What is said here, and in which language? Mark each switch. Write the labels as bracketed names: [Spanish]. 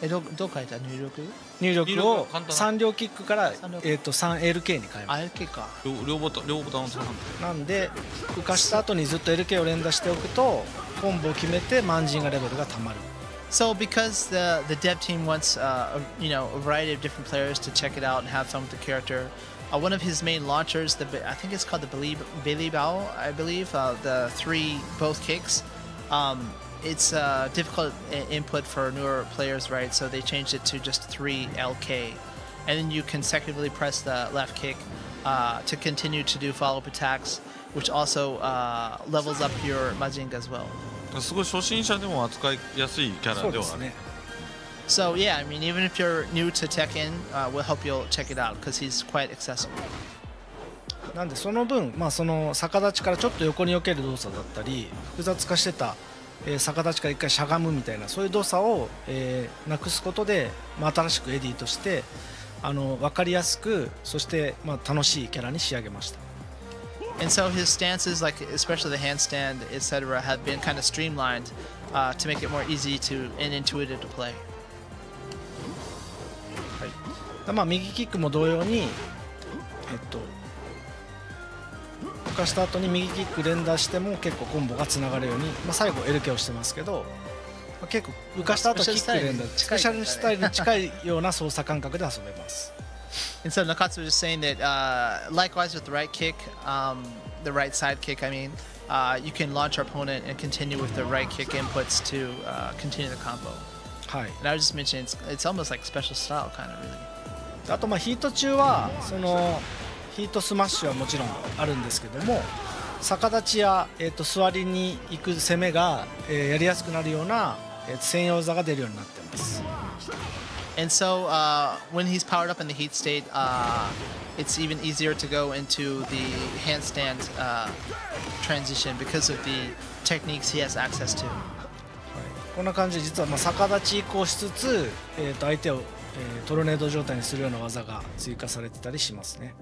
[Japanese] どう変えた？入力？入力を3両キックから 3LK に変えます。 LK か、両ボタンを使うんで、なんで浮かした後にずっと LK を連打しておくとコンボを決めてマンジンガレベルがたまる。 [English] So because the dev team wants you know, a variety of different players to check it out and have fun with the character, one of his main launchers, I think it's called the Bilibao, I believe, the three both kicks, it's a difficult input for newer players, right? So they changed it to just 3LK. And then you consecutively press the left kick to continue to do follow-up attacks, which also levels up your Mazinga as well. [Japanese] すごい初心者でも扱いやすいキャラではある。 [English] So yeah, I mean, even if you're new to Tekken, we'll help you check it out because he's quite accessible. [Japanese] なんでその分、まあその逆立ちからちょっと横に避ける動作だったり、複雑化してた、逆立ちから一回しゃがむみたいなそういう動作を、なくすことで、まあ、新しくエディとして分かりやすく、そして、まあ、楽しいキャラに仕上げました。 [English] And so his stances, like especially the handstand, etc., have been kind of streamlined to make it more easy to and intuitive to play. [Japanese] はい。まあ右キックも同様に、浮かした後に右キック連打しても結構コンボがつながるように、まあ最後 LK をしてますけど、まあ、結構浮かした後キック連打、スペシャルスタイルに近いような操作感覚で遊べます。 [English] And so Nakatsu was just saying that likewise with the right kick, the right side kick, I mean, you can launch our opponent and continue with the right kick inputs to continue the combo. Hi. And I was just mentioning it's almost like special style, kind of really. [Japanese] あとまあヒート中はそのヒートスマッシュはもちろんあるんですけども、逆立ちや座りに行く攻めがやりやすくなるような専用技が出るようになってます。 [English] And so when he's powered up in the heat state, it's even easier to go into the handstand transition because of the techniques he has access to. [Japanese] こんな感じで実はまあ逆立ち移行しつつ、相手を、トルネード状態にするような技が追加されてたりしますね。